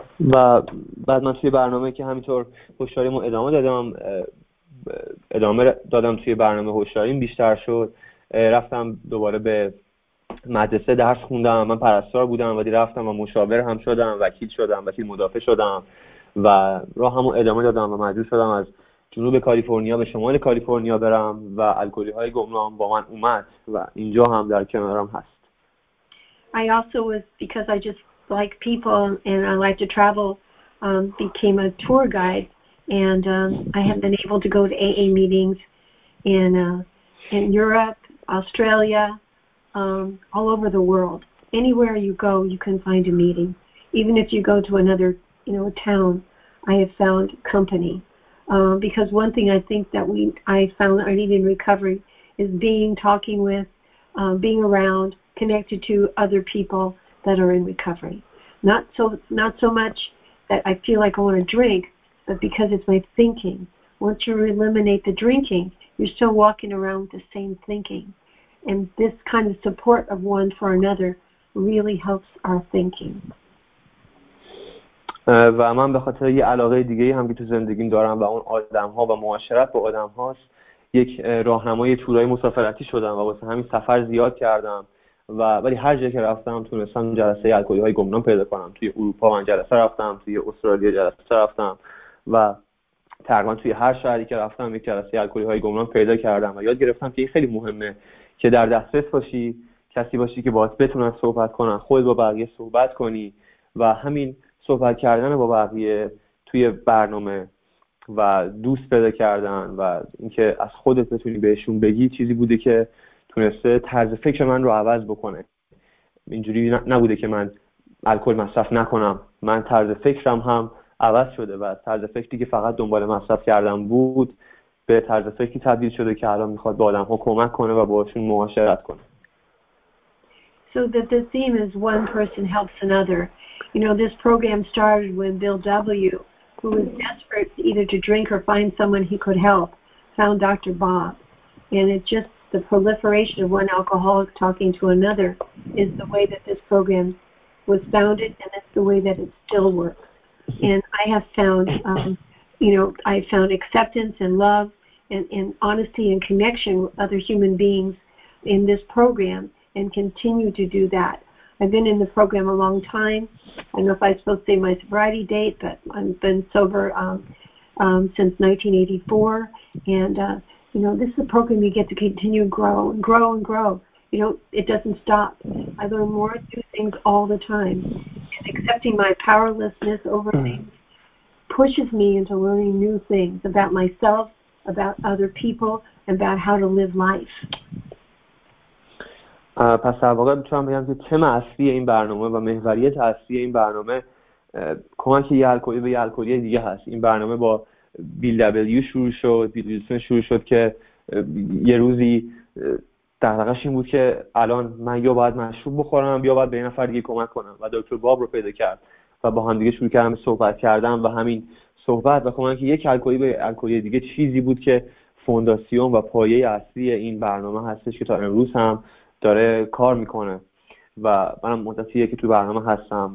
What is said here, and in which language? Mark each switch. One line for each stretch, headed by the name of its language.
Persian: و بعد من توی برنامه که همینطور هوشیاریمو ادامه دادم، ادامه دادم توی برنامه هوشیاریم بیشتر شد، رفتم دوباره به مدرسه درس خوندم. من پرستار بودم ولی رفتم و مشاور هم شدم، وکیل شدم، وکیل مدافع شدم و راه همو ادامه دادم و مجبور شدم از جنوب کالیفرنیا به شمال کالیفرنیا برم و الکلی های گمنام با من اومد و اینجا هم در کنارم هست.
English: I also was, because I just like people and I like to travel, became a tour guide and I have been able to go to AA meetings in Europe, Australia, all over the world. Anywhere you go, you can find a meeting. Even if you go to another, you know, town, I have found company. Because one thing I think that I need in recovery is being around, connected to other people that are in recovery. Not so much that I feel like I want to drink, but because it's my thinking. Once you eliminate the drinking, you're still walking around with the same thinking. and this kind of support of one for another really helps our thinking.
Persian: و من به خاطر یه علاقه دیگه هم که تو زندگیم دارم و اون آدم‌ها و معاشرت با آدم‌هاست، یک راهنمای تورای مسافرتی شدم و واسه همین سفر زیاد کردم و ولی هر جایی که رفتم تونستم جلسه الکلی‌های گمنام پیدا کنم. توی اروپا من جلسه رفتم، توی استرالیا جلسه رفتم و تقریبا توی هر شهری که رفتم یک جلسه الکلی‌های گمنام پیدا کردم و یاد گرفتم که این خیلی مهمه که در دسترس باشی، کسی باشی که باهات بتونن صحبت کنن، خودت با بقیه صحبت کنی و همین صحبت کردن با بقیه توی برنامه و دوست پیدا کردن و اینکه از خودت بتونی بهشون بگی چیزی بوده که تونسته طرز فکر من رو عوض بکنه. اینجوری نبوده که من الکل مصرف نکنم، من طرز فکرم هم عوض شده و طرز فکری که فقط دنبال مصرف کردن بود به طرز فکری تبدیل شده که الان میخواد با آدم ها کمک کنه و باشون معاشرت کنه.
English: So that the theme is one person helps another. You know, this program started when Bill W., who was desperate either to drink or find someone he could help, found Dr. Bob. And it's just the proliferation of one alcoholic talking to another is the way that this program was founded, and that's the way that it still works. And I have found, I found acceptance and love and honesty and connection with other human beings in this program, and continue to do that. I've been in the program a long time. I don't know if I'm supposed to say my sobriety date, but I've been sober since 1984. And, this is a program you get to continue to grow and grow and grow. You know, it doesn't stop. I learn more new things all the time. And accepting my powerlessness over things pushes me into learning new things about myself, about other people, and about how to live life.
Persian: پس در واقع میتونم بگم که تم اصلی این برنامه و محوریت اصلی این برنامه کمک یه الکلی به یه الکلی دیگه هست. این برنامه با بیل دبلیو شروع شد، بیل ویلسون شروع شد که یه روزی دغدغش این بود که الان من یا باید مشروب بخورم یا باید به یه نفر دیگه کمک کنم و دکتر باب رو پیدا کرد و با هم دیگه شروع کردم صحبت کردم و همین صحبت و کمک یک الکلی به الکلی دیگه چیزی بود که فونداسیون و پایه اصلی این برنامه هستش که تا امروز هم داره کار میکنه و منم مدتیه که تو برنامه هستم.